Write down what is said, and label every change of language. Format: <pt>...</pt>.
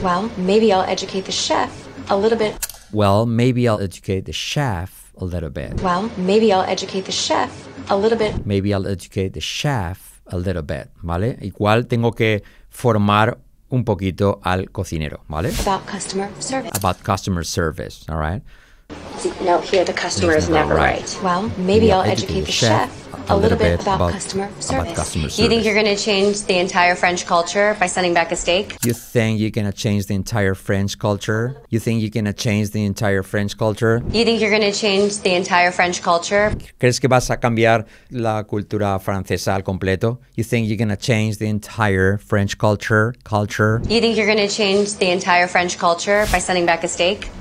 <en>Well, maybe I'll educate the chef a little bit. Well, maybe I'll educate the chef a little bit. Well, maybe I'll educate the chef a little bit. Maybe I'll educate the chef a little bit, ¿vale?</en> <es>Igual tengo que formar un poquito al cocinero, ¿vale?</es> <en>About customer service. About customer service, all right? No, here the customer is never right. Well, maybe I'll educate the chef a little bit about customer service. About customer service. You think you're going to change the entire French culture by sending back a steak? You think you're going to change the entire French culture? You think you're going to change the entire French culture? You think you're going to change the entire French culture?</en> <es>¿Crees que vas a cambiar la cultura francesa al completo?</es> <en>You think you're going to change the entire French culture? Culture? You think you're going to change the entire French culture by sending back a steak?</en>